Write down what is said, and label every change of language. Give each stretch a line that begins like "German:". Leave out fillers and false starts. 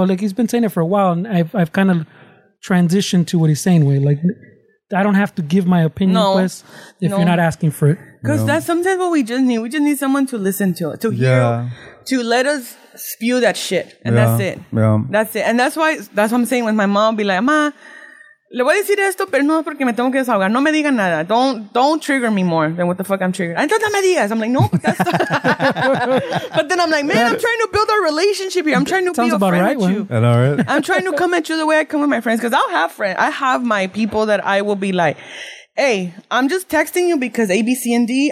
English: Like, he's been saying it for a while, and I've kind of transitioned to what he's saying. Wait, like, I don't have to give my opinion if you're not asking for it. Because that's sometimes what we just need. We just need someone to listen to it, to hear, to let us spew that shit. And that's it. Yeah. That's it. And that's what I'm saying with my mom. I'll be like,
Spanish: ma, le voy a decir esto, pero no, porque me tengo que desahogar. No me diga nada.
English: Don't trigger me more than what the fuck I'm triggered.
Spanish: Entonces no me digas.
English: I'm like, no. But then I'm like, man, I'm trying to build our relationship here. I'm trying to be a friend with you. Right. I'm trying to come at you the way I come with my friends. Because I'll have friends. I have my people that I will be like, hey, I'm just texting you because A, B, C, and D.